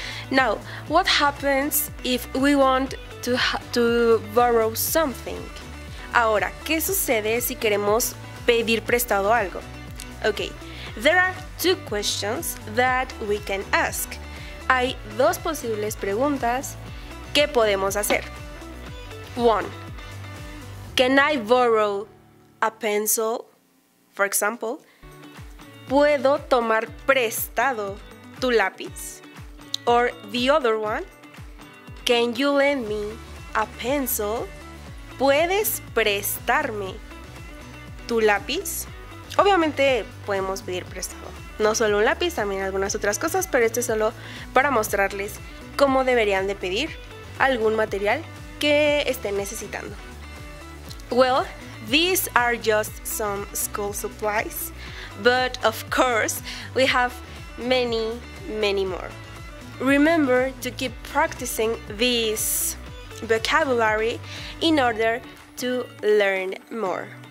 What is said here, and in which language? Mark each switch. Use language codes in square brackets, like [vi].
[en] Now, what happens if we want to borrow something? [es] Ahora, ¿qué sucede si queremos pedir prestado algo? [en] Okay, there are two questions that we can ask. [es] Hay dos posibles preguntas que podemos hacer. [en] One, can I borrow a pencil, for example? [es] ¿Puedo tomar prestado tu lápiz? [en] Or the other one, can you lend me a pencil? [es] ¿Puedes prestarme tu lápiz? Obviamente podemos pedir prestado, no solo un lápiz, también algunas otras cosas, pero esto es solo para mostrarles cómo deberían de pedir algún material que estén necesitando. [en] Well, these are just some school supplies. But of course, we have many, many more. Remember to keep practicing this vocabulary in order to learn more.